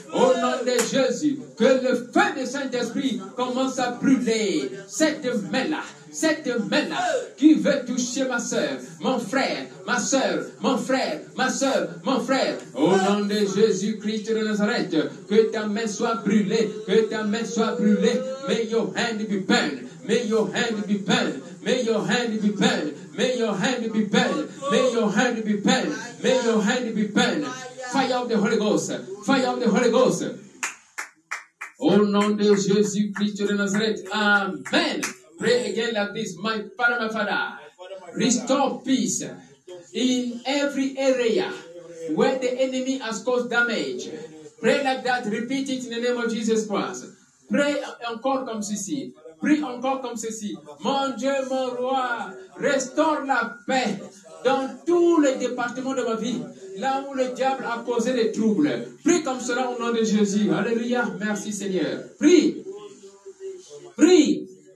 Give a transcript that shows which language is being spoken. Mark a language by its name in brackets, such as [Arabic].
[French] Au nom de Jésus, que le feu du Saint-Esprit commence à brûler cette main-là. Cette main-là qui veut toucher ma soeur, mon frère, ma soeur, mon frère, ma soeur, mon frère. Au nom de Jésus-Christ de Nazareth, que ta main soit brûlée, que ta main soit brûlée. [English] May your hand be burned, may your hand be burned, may your hand be burned. May your hand be burned. May your hand be burned. May your hand be burned. Fire of the Holy Ghost. Fire of the Holy Ghost. [French] Au nom de Jésus-Christ de Nazareth. [English] Amen. Pray again like this. My Father, restore peace in every area where the enemy has caused damage. Pray like that. Repeat it in the name of Jesus Christ. [French] Pray encore comme ceci. Prie encore comme ceci. Mon Dieu, mon roi, restaure la paix dans tous les départements de ma vie, là où le diable a causé des troubles. Prie comme cela au nom de Jésus. Alléluia. Merci Seigneur. Prie. Prie.